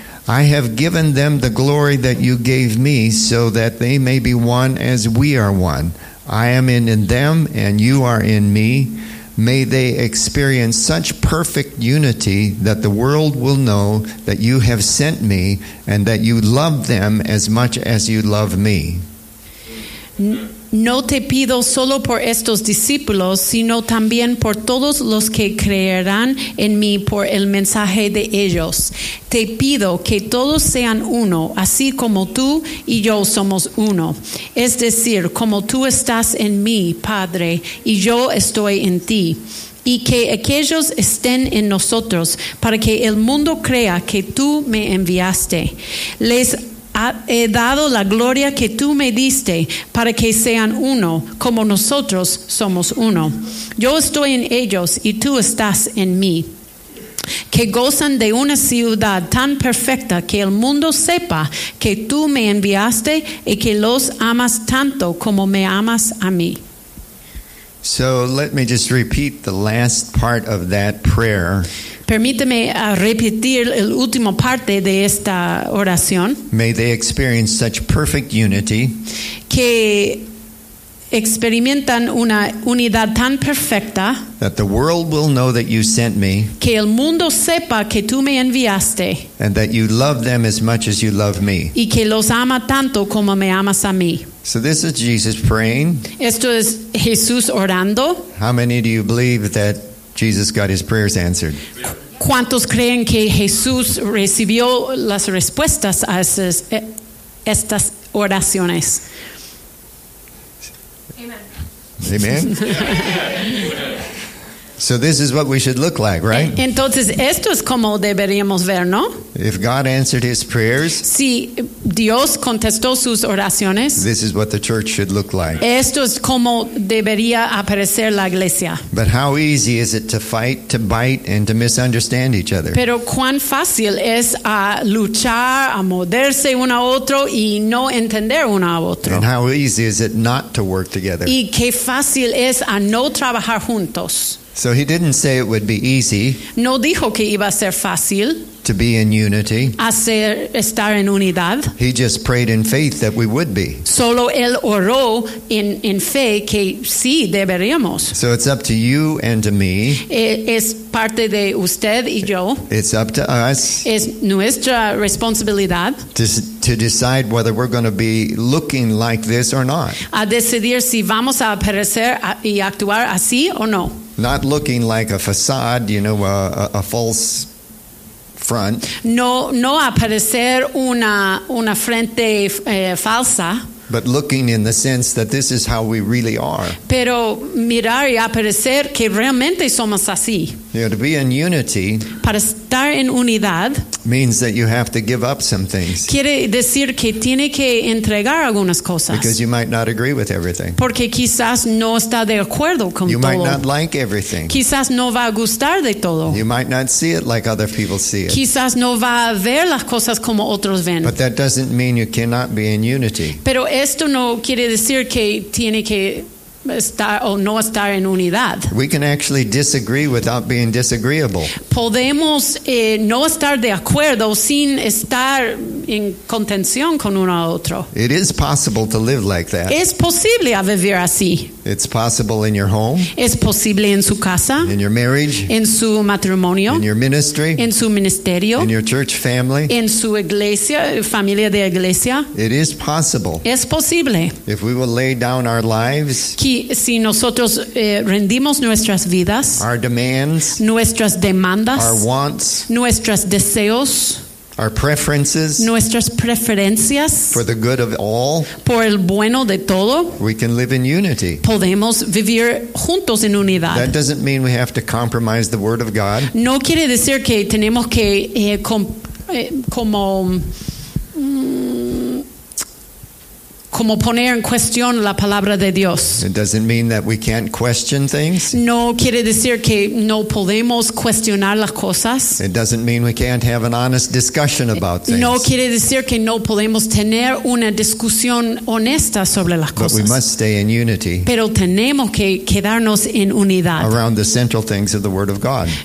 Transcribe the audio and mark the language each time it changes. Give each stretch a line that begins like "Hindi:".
English: I have given them the glory that you gave me, so that they may be one as we are one. I am in them, and you are in me. May they experience such perfect unity that the world will know that you have sent me and that you love them as much as you love me.
Spanish: No te pido solo por estos discípulos, sino también por todos los que creerán en mí por el mensaje de ellos. Te pido que todos sean uno, así como tú y yo somos uno. Es decir, como tú estás en mí, Padre, y yo estoy en ti. Y que aquellos estén en nosotros, para que el mundo crea que tú me enviaste. Les he dado la gloria que tú me diste para que sean uno como nosotros somos uno. Yo estoy en ellos y tú estás en mí. Que gozan de una ciudad tan perfecta que el mundo sepa que tú me enviaste y que los amas tanto como me amas a mí.
English: So let me just repeat the last part of that prayer.
Spanish: Permíteme repetir el último parte de esta oración.
English: May they experience such perfect unity.
Spanish: Que experimentan una unidad tan perfecta.
English: That the world will know that you sent me.
Spanish: Que el mundo sepa que tú me enviaste.
English: And that you love them as much as you love me.
Spanish: Y que los ama tanto como me amas a mí.
English: So this is Jesus praying.
Spanish: Esto es Jesús orando.
English: How many do you believe that Jesus got his prayers answered?
Spanish: ¿Cuántos creen que Jesús recibió las respuestas a estas oraciones?
English: Amen. Amen. So this is what we should look like, right?
Spanish: Entonces, esto es como deberíamos ver, ¿no?
English: If God answered his prayers,
Spanish: si Dios contestó sus oraciones,
English: this is what the church should look like.
Spanish: Esto es como debería aparecer la iglesia.
English: But how easy is it to fight, to bite, and to misunderstand each other?
Spanish: Pero cuán fácil es a luchar, a morderse uno a otro, y no entender uno a otro.
English: And how easy is it not to work together?
Spanish: Y qué fácil es a no trabajar juntos.
English: So he didn't say it would be easy.
Spanish: No dijo que iba a ser fácil.
English: To be in unity.
Spanish: Estar en unidad.
English: He just prayed in faith that we would be.
Spanish: Solo él oró en fe que sí deberíamos.
English: So it's up to you and to me.
Spanish: Es parte de usted y yo.
English: It's up to us.
Spanish: Es nuestra responsabilidad.
English: To decide whether we're going to be looking like this or not.
Spanish: A decidir si vamos a aparecer y actuar así o no.
English: Not looking like a facade, you know, a false front.
Spanish: No aparecer una frente falsa.
English: But looking in the sense that this is how we really are.
Spanish: Pero mirar y aparecer que realmente somos así.
English: Yeah, to be in unity.
Spanish: Para estar en unidad.
English: Means that you have to give up some things.
Spanish: Quiere decir que tiene que entregar algunas cosas.
English: Because you might not agree with everything.
Spanish: Porque quizás no está de acuerdo con todo.
English: You might not like everything.
Spanish: Quizás no va a gustar de todo.
English: You might not see it like other people see it.
Spanish: Quizás no va a ver las cosas como otros ven.
English: But that doesn't mean you cannot be in unity.
Spanish: Pero esto no quiere decir que tiene que estar o no estar en unidad.
English: We can actually disagree without being disagreeable.
Spanish: Podemos no estar de acuerdo sin estar en contención con uno a otro.
English: It is possible to live like that.
Spanish: Es posible a vivir así.
English: It's possible in your home.
Spanish: Es posible en su casa.
English: In your marriage.
Spanish: En su matrimonio.
English: In your ministry.
Spanish: En su ministerio.
English: In your church family.
Spanish: En su iglesia, familia de iglesia.
English: It is possible.
Spanish: Es posible.
English: If we will lay down our lives.
Spanish: Que si nosotros rendimos nuestras vidas.
English: Our demands.
Spanish: Nuestras demandas.
English: Our wants.
Spanish: Nuestros deseos.
English: Our preferences,
Spanish: nuestras preferencias,
English: for the good of all,
Spanish: por el bueno de todo,
English: we can live in unity.
Spanish: Podemos vivir juntos en unidad.
English: That doesn't mean we have to compromise the word of God.
Spanish: No quiere decir que tenemos que como poner en cuestión la palabra de Dios.
English: It doesn't mean that we can't question things.
Spanish: No quiere decir que no podemos cuestionar las cosas.
English: It doesn't mean we can't have an honest discussion about things.
Spanish: No quiere decir que no podemos tener una discusión honesta sobre las cosas.
English: But we must stay in unity.
Spanish: Pero tenemos que quedarnos en unidad.
English: Around the central things of the Word of God.